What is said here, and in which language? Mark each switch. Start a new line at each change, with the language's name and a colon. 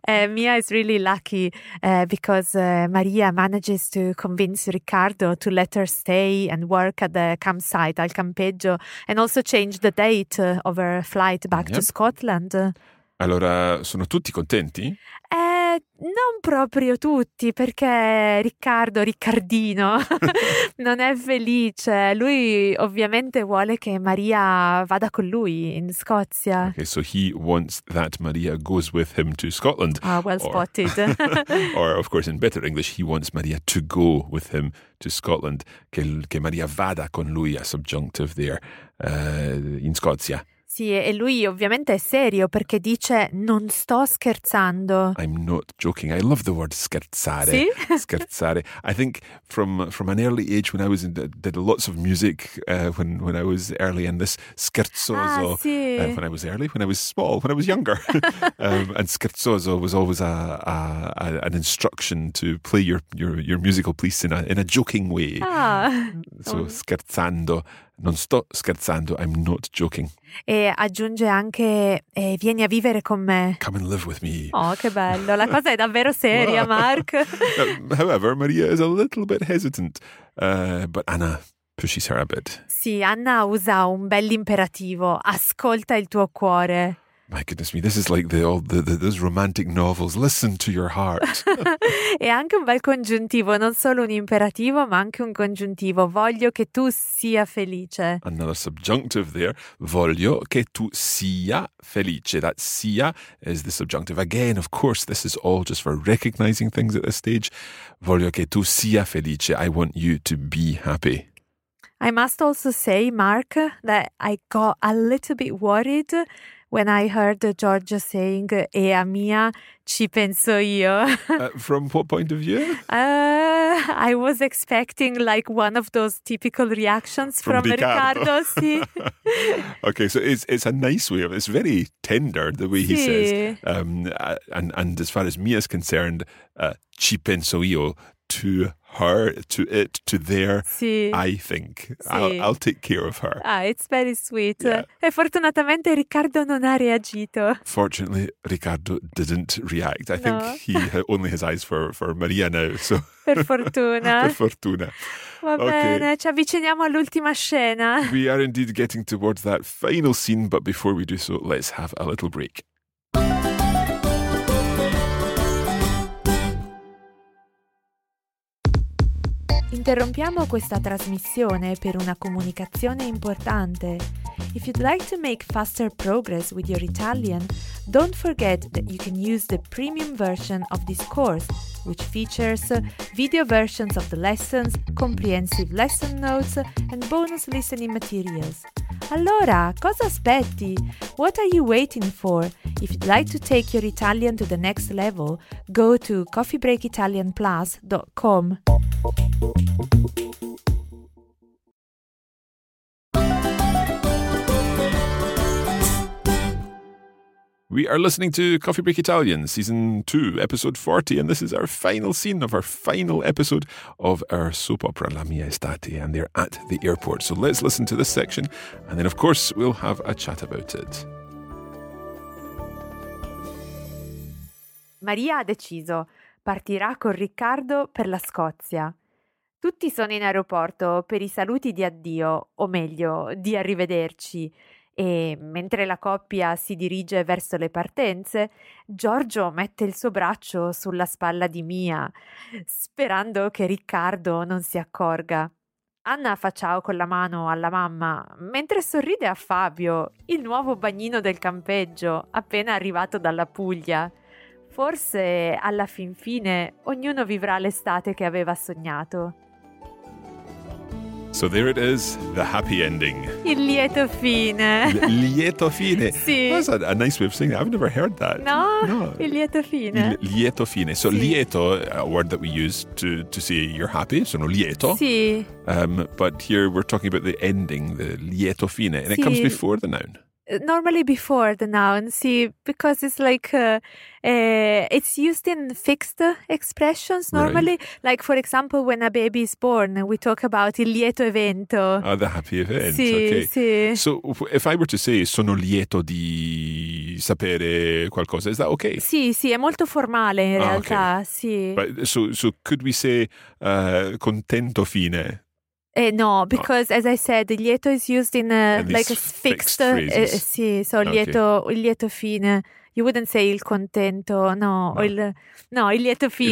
English: Mia is really lucky because Maria manages to convince Riccardo to let her stay and work at the campsite,
Italian: al campeggio,
English: and also change the date of her flight back yep. to Scotland.
Italian: Allora, sono tutti contenti? Non proprio tutti, perché Riccardino, non è felice. Lui ovviamente vuole che Maria vada con lui in Scozia.
English: Okay, so he wants that Maria goes with him to Scotland. Ah, well spotted. Or, of course, in better English, he wants Maria to go with him to Scotland.
Italian: Che Maria vada con lui,
English: a subjunctive there,
Italian: in Scozia. Sì, e lui ovviamente è serio perché dice non sto scherzando.
English: I'm not joking. I love the word scherzare.
Italian: Sì? Scherzare.
English: I think from an early age when I was in, did lots of music when I was early in this scherzoso.
Italian: Ah, sì.
English: When I was early, when I was small, when I was younger. and scherzoso was always an instruction to play your musical piece in a joking way. Ah. So scherzando.
Italian: Non sto scherzando,
English: I'm not joking.
Italian: E aggiunge anche, vieni a vivere con me.
English: Come and live with me.
Italian: Oh, che bello, la cosa è davvero seria, Mark.
English: However, Maria is a little bit hesitant, but Anna pushes her a bit.
Italian: Sì, Anna usa un bell'imperativo, ascolta il tuo cuore.
English: My goodness me, this is like those romantic novels. Listen to your heart.
Italian: È anche un bel congiuntivo, non solo un imperativo, ma anche un congiuntivo. Voglio che tu sia felice.
English: Another subjunctive there.
Italian: Voglio che tu sia felice.
English: That sia is the subjunctive. Again, of course, this is all just for recognizing things at this stage.
Italian: Voglio che tu sia felice.
English: I want you to be happy. I must also say, Mark, that I got a little bit worried when I heard Giorgio saying,
Italian: "E a mia, ci penso io."
English: From what point of view? I was expecting like one of those typical reactions from Riccardo.
Italian: Sì.
English: Okay, so it's a nice way of, it's very tender the way he says. And as far as Mia is concerned,
Italian: ci penso io
English: to her, to it, to there,
Italian: sì.
English: I think. Sì. I'll take care of her. Ah, it's very sweet. Yeah.
Italian: E fortunatamente Riccardo non ha reagito.
English: Fortunately, Riccardo didn't react. I think he only has eyes for Maria now. So.
Italian: Per fortuna. Per fortuna. Va bene, ci avviciniamo all'ultima scena.
English: We are indeed getting towards that final scene, but before we do so, let's have a little break.
Italian: Interrompiamo questa trasmissione per una comunicazione importante.
English: If you'd like to make faster progress with your Italian, don't forget that you can use the premium version of this course, which features video versions of the lessons, comprehensive lesson notes, and bonus listening materials.
Italian: Allora, cosa aspetti?
English: What are you waiting for? If you'd like to take your Italian to the next level, go to coffeebreakitalianplus.com. We are listening to Coffee Break Italian, Season 2, Episode 40, and this is our final scene of our final episode of our soap opera, La Mia Estate, and they're at the airport. So let's listen to this section, and then, of course, we'll have a chat about it.
Italian: Maria ha deciso. Partirà con Riccardo per la Scozia. Tutti sono in aeroporto per i saluti di addio, o meglio, di arrivederci. E mentre la coppia si dirige verso le partenze, Giorgio mette il suo braccio sulla spalla di Mia, sperando che Riccardo non si accorga. Anna fa ciao con la mano alla mamma, mentre sorride a Fabio, il nuovo bagnino del campeggio, appena arrivato dalla Puglia. Forse, alla fin fine, ognuno vivrà l'estate che aveva sognato.
English: So there it is, the happy ending.
Italian: Il lieto fine. Lieto fine. Sì.
English: That's a nice way of saying it. I've never heard that.
Italian: No, no. Il lieto fine. Il lieto fine.
English: So sì. Lieto, a word that we use to say you're happy,
Italian: sono lieto. Sì.
English: But here we're talking about the ending, the lieto fine. And sì. It comes before the noun. Normally before the noun, sì, because it's like, it's used in fixed expressions normally. Right. Like, for example, when a baby is born, we talk about il lieto evento. Oh, the happy event.
Italian: Sì,
English: okay.
Italian: Sì.
English: So if I were to say
Italian: sono lieto di sapere qualcosa,
English: is that okay?
Italian: Sì, sì, è molto formale in realtà,
English: okay.
Italian: Sì.
English: But, so could we say contento fine? No, because as I said, lieto is used in like a fixed sì, so lieto, okay. Lieto fine. You wouldn't say
Italian: il contento, no, no. Il lieto fine.